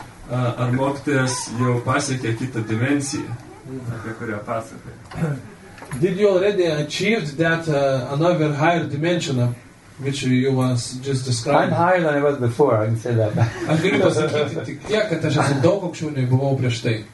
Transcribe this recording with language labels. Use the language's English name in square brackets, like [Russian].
[Lithuanian] Ar mokytojas jau pasiekė kitą dimensiją, apie kurią pasakė? [English] Did you already achieved that another higher dimension of which you was just described? I'm higher than I was before, I can say that. [Lithuanian] Aš galiu pasakyti tik tiek, kad aš esu daug aukščiau nei buvau prieš tai.